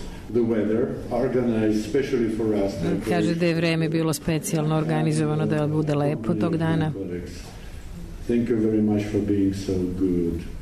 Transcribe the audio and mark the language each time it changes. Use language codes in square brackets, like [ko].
[en] The weather organized specially for us. [sr] Kaže da je vreme bilo specijalno organizovano da bude lepo tog dana. [en] Thank you very much for being so good.